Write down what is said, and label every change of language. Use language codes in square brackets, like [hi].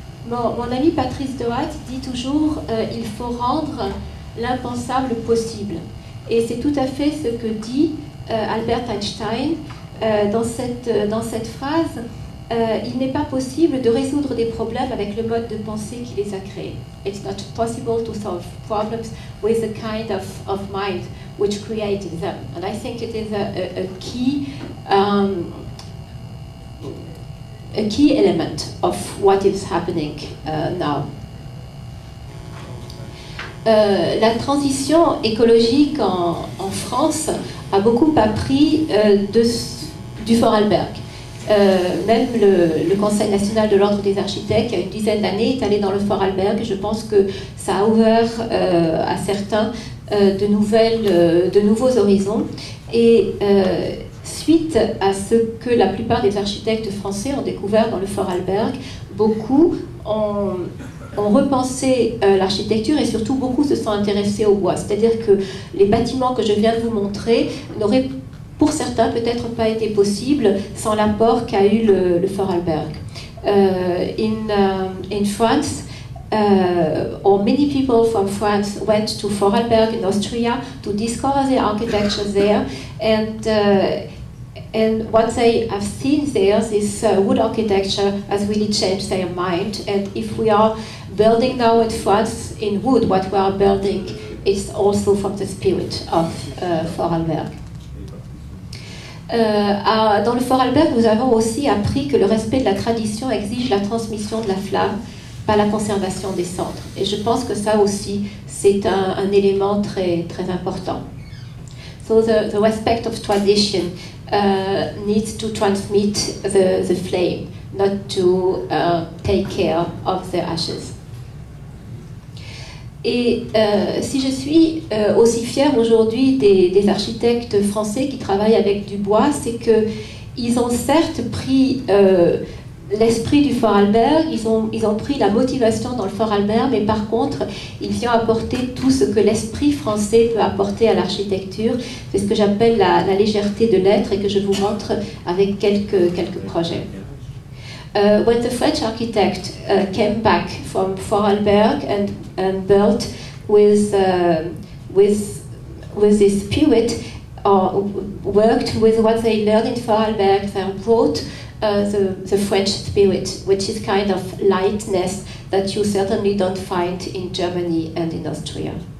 [fr] Mon ami Patrice Dehaat dit toujours il faut rendre l'impensable possible. Et c'est tout à fait ce que dit Albert Einstein dans cette phrase. Il n'est pas possible de résoudre des problèmes avec le mode de pensée qui les a créés. [en] It's not possible to solve problems with the kind of mind which created them. And I think it is a key element of what is happening now. [fr] La transition écologique en France a beaucoup appris du Vorarlberg. Même le Conseil national de l'Ordre des architectes, il y a une dizaine d'années, est allé dans le Vorarlberg. Je pense que ça a ouvert à certains de nouveaux horizons. Et suite à ce que la plupart des architectes français ont découvert dans le Vorarlberg, beaucoup ont repensé l'architecture et surtout beaucoup se sont intéressés au bois. C'est-à-dire que les bâtiments que je viens de vous montrer n'auraient pour certains peut-être pas été possible sans l'apport qu'a eu le Vorarlberg. [en] In France, or many people from France went to Vorarlberg in Austria to discover the architecture there, and what they have seen there, this wood architecture, has really changed their mind. And if we are building now in France in wood, what we are building is also from the spirit of Vorarlberg. [fr] Dans le Vorarlberg, nous avons aussi appris que le respect de la tradition exige la transmission de la flamme, pas la conservation des cendres. Et je pense que ça aussi, c'est un élément très, très important. [en] So the respect of tradition needs to transmit the flame, not to take care of the ashes. [fr] Et si je suis aussi fière aujourd'hui des architectes français qui travaillent avec du bois, c'est qu'ils ont certes pris l'esprit du Vorarlberg, ils ont pris la motivation dans le Vorarlberg, mais par contre, ils viennent apporter tout ce que l'esprit français peut apporter à l'architecture. C'est ce que j'appelle la légèreté de l'être et que je vous montre avec quelques projets. [en] When the French architect came back from Vorarlberg and built with this spirit, or worked with what they learned in Vorarlberg, they brought the French spirit, which is kind of lightness that you certainly don't find in Germany and in Austria.